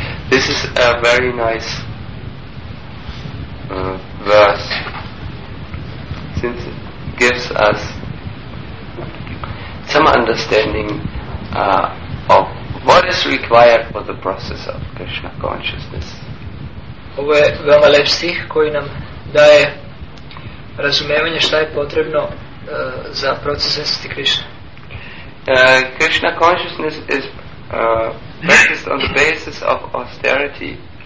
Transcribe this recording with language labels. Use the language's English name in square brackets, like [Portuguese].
[English] This is a very nice verse, since it gives us some understanding of what is required for the process of Krishna consciousness. [Serbian] Ovo je veoma lep stih koji nam daje razumevanje šta je potrebno za proces svesti Krishna. [English] Krishna consciousness is practiced on the basis of austerity.